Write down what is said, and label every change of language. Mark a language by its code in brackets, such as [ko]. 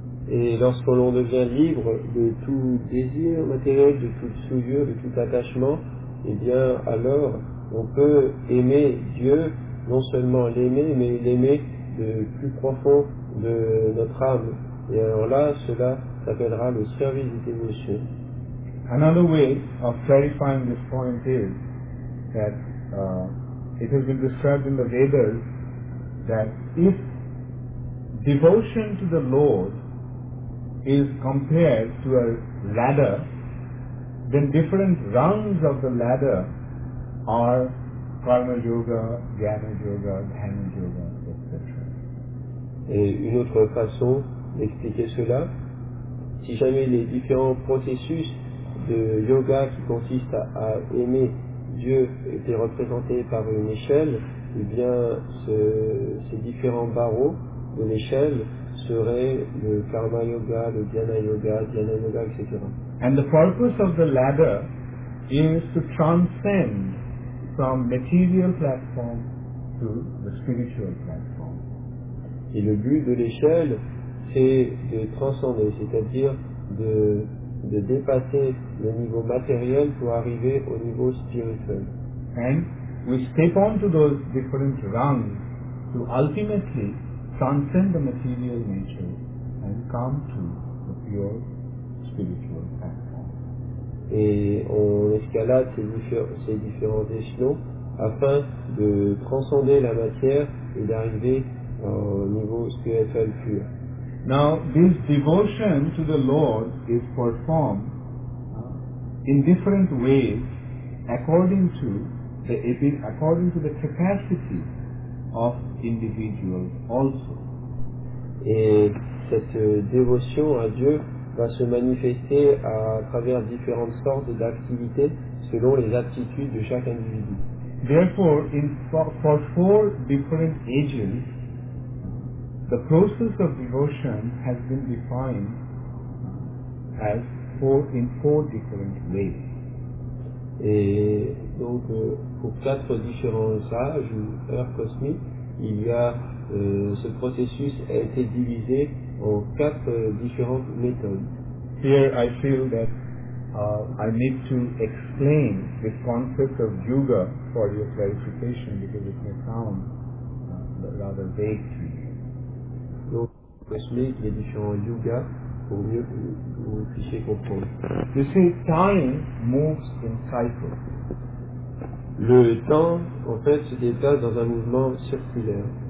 [fr] Et lorsque l'on devient libre de tout désir matériel, de toute souillure, de tout attachement, eh bien alors on peut aimer Dieu, non seulement l'aimer, mais l'aimer de plus profond de notre âme. Et alors là, cela s'appellera le service des dévotions. [en] Another way of clarifying this point is that it has been described in the Vedas that if devotion to the Lord is compared to a ladder, then different rungs of the ladder are karma yoga, jnana yoga, dhyana yoga, etc. [fr] Et une autre façon d'expliquer cela, si jamais les différents processus de yoga qui consistent à aimer Dieu était représenté par une échelle, eh bien ces différents barreaux de l'échelle seraient le karma yoga, le jnana yoga, etc. [en] And the purpose of the ladder is to transcend from material platform to the spiritual platform. [fr] Et le but de l'échelle, c'est de transcender, c'est-à-dire de dépasser le niveau matériel pour arriver au niveau spirituel. [en] And we step onto those different rungs to ultimately transcend the material nature and come to the pure spiritual platform. [fr] Et on escalade ces différents échelons afin de transcender la matière et d'arriver au niveau spirituel pur. [en] Now, this devotion to the Lord is performed in different ways according to the according to the capacity of individuals also. [fr] Et cette dévotion à Dieu va se manifester à travers différentes sortes d'activités selon les aptitudes de chaque individu. [en] Therefore, in for four different ages, the process of devotion has been defined as in four different ways. [fr] Et donc, pour quatre différents âges ou heures cosmiques, il y a ce processus a été divisé en quatre différentes méthodes. [en] Here, I feel that I need to explain this concept of yoga for your clarification because it may sound rather vague to you. [fr] Donc, pour expliquer les différents yogas pour mieux que vous puissiez comprendre. [en] You see, time moves in cycles. [fr] Le temps, en fait, se déplace dans un mouvement circulaire.